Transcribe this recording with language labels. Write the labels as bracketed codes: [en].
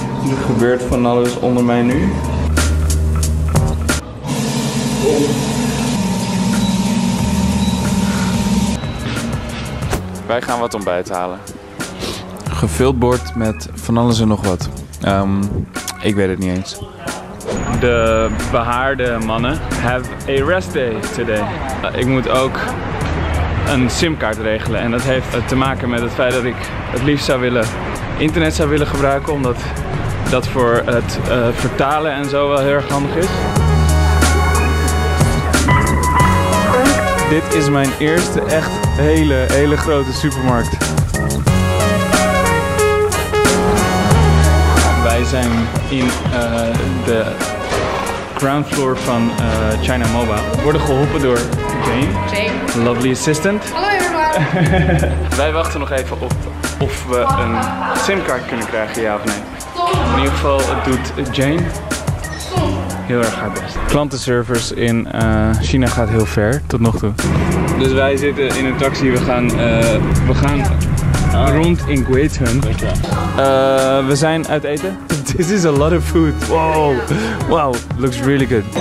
[nl] Er gebeurt van alles onder mij nu. Wij gaan wat ontbijt halen. Gevuld bord met van alles en nog wat. Ik weet het niet eens. De behaarde mannen [en] have a rest day today. [nl] Ik moet ook een simkaart regelen. En dat heeft te maken met het feit dat ik het liefst zou willen internet zou willen gebruiken. Omdat dat voor het vertalen en zo wel heel erg handig is. Dit is mijn eerste echt hele, hele grote supermarkt. Wij zijn in de [en] ground floor [nl] van China Mobile. We worden geholpen door Jane. [en] Lovely assistant. Hallo everyone. [nl] Wij wachten nog even op of we een simkaart kunnen krijgen, ja of nee. In ieder geval doet Jane heel erg haar best. Klantenservice in China gaat heel ver, tot nog toe. Dus wij zitten in een taxi, we gaan rond in Guizhun. We zijn uit eten. [en] This is a lot of food. Wow, wow, looks really good.